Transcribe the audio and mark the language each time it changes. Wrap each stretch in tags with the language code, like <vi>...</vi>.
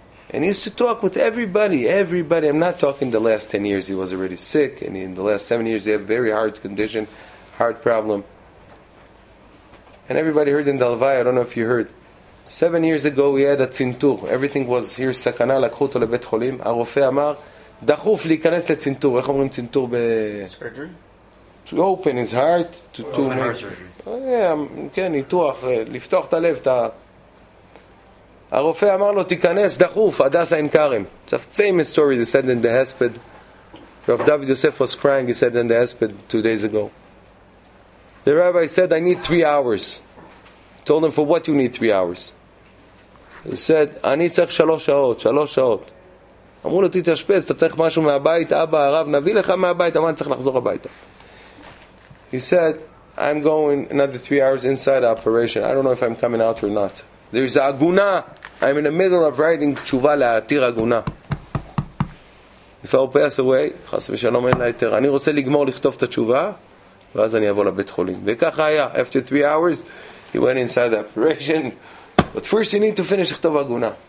<en>And he used to talk with everybody, everybody. I'm not talking the last 10 years he was already sick, and in the last 7 years he had very hard condition, heart problem. And everybody heard in Dalvai, I don't know if you heard, 7 years ago he had a tzintur. Everything was here,</en> <he>סכנה, לקחו אותו לבית חולים. הרופא אמר, דחוף להיכנס לצינטור. איך אומרים צינטור ב...</he> <en>surgery? To open his heart to two minutes. Oh, yeah,</en> <he>כן, ניתוח, לפתוח את הלב, את ה... הרופא אמר לו, תיכנס דחוף, הדסה עם קרם.</he> <en>It's a famous story they said in the hesped. Rav David Yosef was crying, he said in the hesped 2 days ago. The rabbi said, I need 3 hours. Told him, for what you need 3 hours? He said,</en> <he>אני צריך 3 שעות, 3 שעות. אמרו לו, תתאשפז, אתה צריך משהו מהבית, אבא, הרב, נביא לך מהבית, אמרו, אני צריך לחזור הביתה.</he> <en>He said, I'm going another 3 hours inside the operation. I don't know if I'm coming out or not. There is a aguna. I'm in the middle of writing tshuva la'atir aguna. If I'll pass away, chas v'shalom en la'iter.</en> <he>אני רוצה לגמור לכתוב את התשובה, ואז אני אבוא לבית חולים. וכך היה.</he> <en>After 3 hours, he went inside the operation. But first you need to finish</en> <he>לכתוב</he> <en>aguna.</en>